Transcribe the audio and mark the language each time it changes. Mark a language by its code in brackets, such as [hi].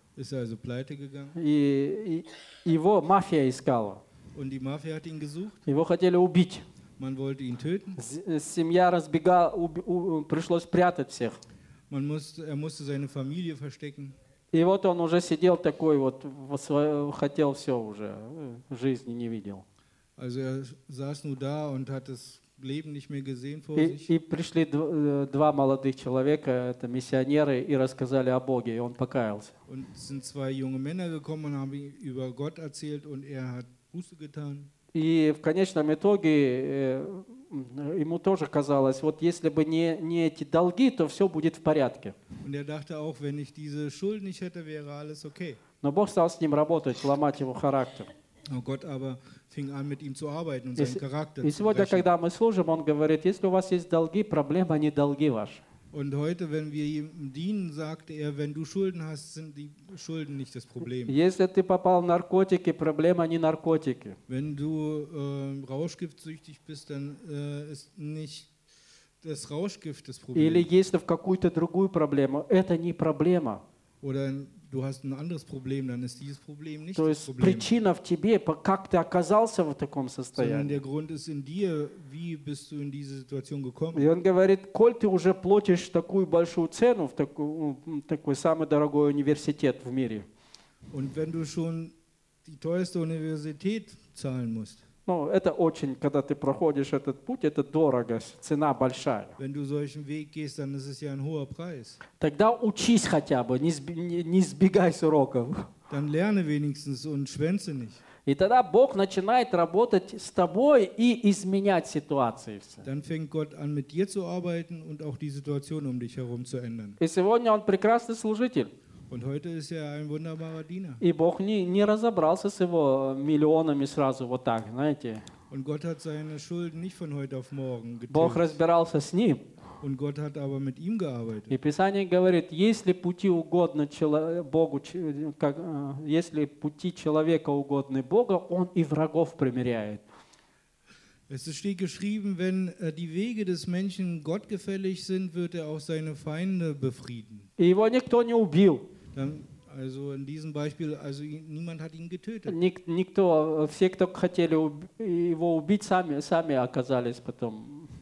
[de] Ist er also pleite gegangen? [ru] И его мафия искала. [de] Und die Mafia hat ihn gesucht. [ru] Его хотели убить. [de] Man wollte ihn töten. [ru] Семья разбегала, пришлось прятать всех. [de] Er musste seine Familie verstecken. [ru] И вот он уже сидел такой вот, хотел все уже, жизни не видел. [de] Also er saß nur da und hat das Leben nicht mehr gesehen vor sich. [ru] И пришли два молодых человека, это миссионеры, и рассказали о Боге, и он покаялся. [de] Und sind zwei junge Männer gekommen und haben über Gott erzählt und er hat Buße getan. [ru] И в конечном итоге ему тоже казалось, вот если бы не эти долги, то все будет в порядке. [de] Und er dachte auch, wenn ich diese Schuld nicht hätte, wäre alles okay. [ru] Но Бог стал с ним работать, ломать его характер. [de] Но Gott aber fing an mit ihm zu arbeiten und seinen Charakter. [ru] И сегодня, когда мы служим, он говорит, если у вас есть долги, проблема не долги ваши. [de] Und heute, wenn wir ihm dienen, sagt er, wenn du Schulden hast, sind die Schulden nicht das Problem. [ru] Если ты попал в наркотики, проблема не наркотики. [de] Wenn du rauschgiftsüchtig bist, dann ist nicht das Rauschgift das Problem. [ru] Или если в какую-то другую проблему, это не проблема. [de] Oder du hast ein anderes Problem, dann ist dieses Problem nicht [ru] то [de] das [ru] есть, [de] Problem. [ru] Причина в тебе, как ты оказался в таком состоянии. [de] Sondern der Grund ist in dir, wie bist du in diese Situation gekommen. [ru] И он говорит, коль ты уже платишь такую большую цену в такой самый дорогой университет в мире. [de] Und wenn du schon die teuerste Universität zahlen musst. [ru] Ну, это очень, когда ты проходишь этот путь, это дорого, цена большая. [de] Wenn du solchen Weg gehst, dann ist es ja ein hoher Preis. [ru] Тогда учись хотя бы, не сбегай с уроков. [de] Dann lerne wenigstens und schwänze nicht. [ru] И тогда Бог начинает работать с тобой и изменять ситуации. [de] Dann fängt Gott an, mit dir zu arbeiten und auch die Situation um dich herum zu ändern. [ru] И сегодня он прекрасный служитель. [de] Und heute ist er ein wunderbarer Diener. [ru] И Бог не разобрался с его миллионами сразу вот так, знаете. [de] Und Gott hat seine Schulden nicht von heute auf morgen getilgt. [ru] Бог разбирался с ним. [de] Und Gott hat aber mit ihm gearbeitet. [ru] И Писание говорит, если пути угодны Богу, если пути человека угодны Богу, он и врагов примиряет. [de] Es steht geschrieben, wenn die Wege des Menschen Gott gefällig sind, wird er auch seine Feinde befrieden. [ru] Его никто не убил. [de] Dann, also in diesem Beispiel, also niemand hat ihn getötet. [ru] Никто, все, кто хотели его убить, сами оказались потом.